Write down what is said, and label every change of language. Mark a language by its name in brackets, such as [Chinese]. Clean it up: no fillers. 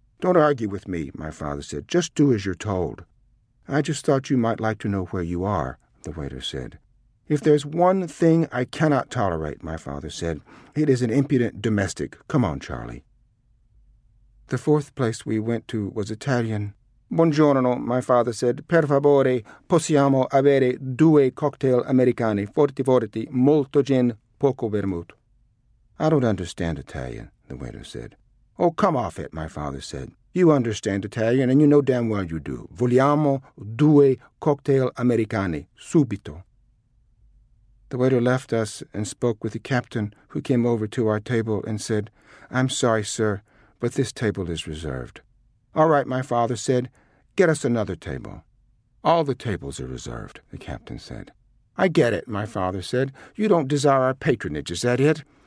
[English] Don't argue with me, my father said. Just do as you're told. I just thought you might like to know where you are, the waiter said. If there's one thing I cannot tolerate, my father said, it is an impudent domestic. Come on, Charlie. The 4th place we went to was Italian. Buongiorno, my father said. [Italian] Per favore, possiamo avere 2 cocktail americani, forti forti, molto gin, poco vermouth. [English] I don't understand Italian, the waiter said. Oh, come off it, my father said. You understand Italian, and you know damn well you do. [Italian] Vogliamo 2 cocktail americani, subito. [English] The waiter left us and spoke with the captain, who came over to our table and said, I'm sorry, sir, but this table is reserved. All right, my father said, get us another table. All the tables are reserved, the captain said. I get it, my father said. You don't desire our patronage, is that it?